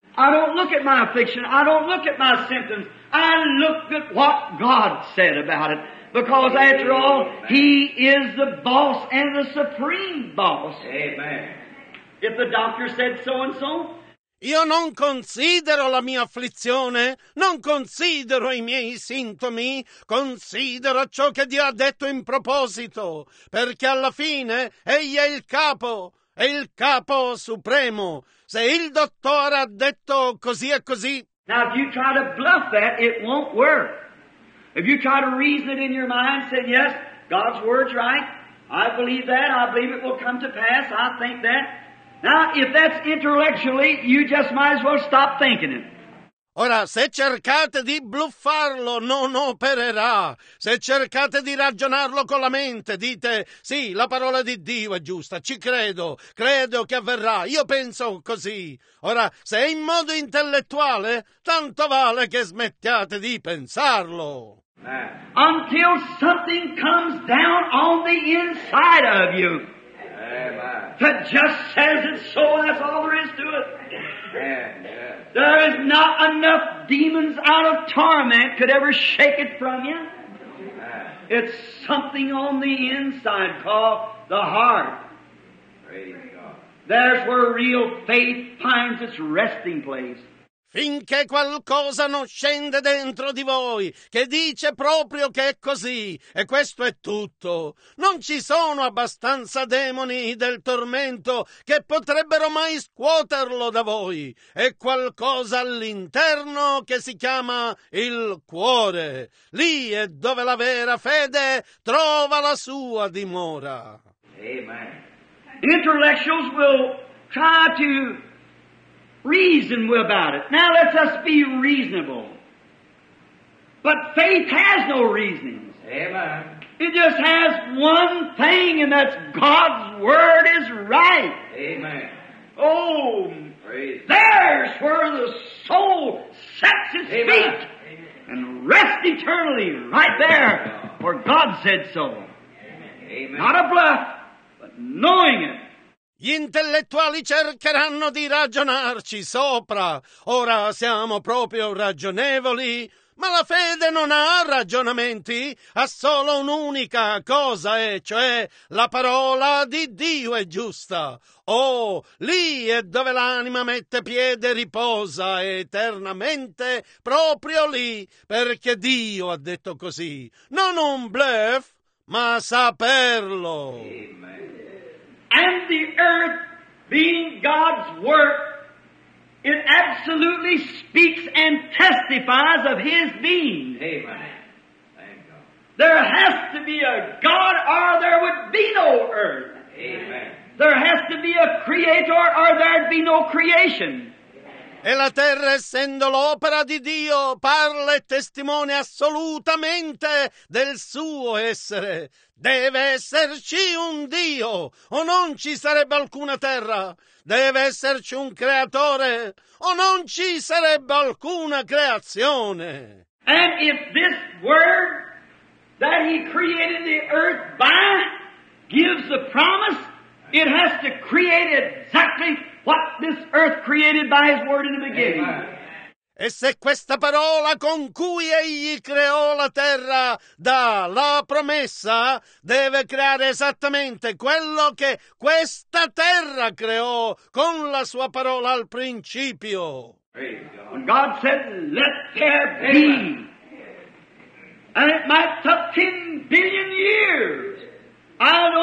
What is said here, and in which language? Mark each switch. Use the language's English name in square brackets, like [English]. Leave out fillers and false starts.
[English] I don't look at my affliction, I don't look at my symptoms, I look at what God said about it. Because after all, He is the boss and the supreme boss. Amen. If the doctor said so and so. [Italian] Io non considero la mia afflizione, non considero i miei sintomi, considero ciò che Dio ha detto in proposito, perché alla fine Egli è il capo supremo. Se il dottore ha detto così e così. [English] Now if you try to bluff that, it won't work. If you try to reason it in your mind, say, yes, God's word's right, I believe that, I believe it will come to pass, I think that. Now, if that's intellectually, you just might as well stop thinking it. [Italian] Ora, se cercate di bluffarlo, non opererà. Se cercate di ragionarlo con la mente, dite, sì, la parola di Dio è giusta, ci credo, credo che avverrà, io penso così. Ora, se è in modo intellettuale, tanto vale che smettiate di pensarlo. [English] Until something comes down on the inside of you. That just says it, so that's all there is to it. There is not enough demons out of torment could ever shake it from you. It's something on the inside called the heart. There's where real faith finds its resting place. [Italian] Finché qualcosa non scende dentro di voi, che dice proprio che è così, e questo è tutto. Non ci sono abbastanza demoni del tormento che potrebbero mai scuoterlo da voi. È qualcosa all'interno che si chiama il cuore. Lì è dove la vera fede trova la sua dimora. [English] Amen. Intellectuals will try to reason about it. Now let us be reasonable. But faith has no reasonings. Amen. It just has one thing, and that's God's word is right. Amen. Oh, praise. There's where the soul sets its Amen. Feet Amen. And rests eternally, right there, where God said so. Amen. Not a bluff, but knowing it. [Italian] Gli intellettuali cercheranno di ragionarci sopra. Ora siamo proprio ragionevoli, ma la fede non ha ragionamenti, ha solo un'unica cosa, e cioè la parola di Dio è giusta. Oh, lì è dove l'anima mette piede e riposa eternamente, proprio lì, perché Dio ha detto così. Non un bluff, ma saperlo. [English] And the earth, being God's work, it absolutely speaks and testifies of His being. Amen. Thank God. There has to be a God or there would be no earth. Amen. There has to be a creator or there'd be no creation. [Italian] E la terra, essendo l'opera di Dio, parla e testimonia assolutamente del suo essere. Deve esserci un Dio, o non ci sarebbe alcuna terra. Deve esserci un creatore, o non ci sarebbe alcuna creazione. [English] And if this word that He created the earth by gives the promise, it has to create exactly what this earth created by His word in the beginning. Amen. [Italian] E se questa parola con cui Egli creò la terra dà la promessa, deve creare esattamente quello che questa terra creò con la sua parola al principio. [English] When God said, let there be, and it might take 10 billion years, I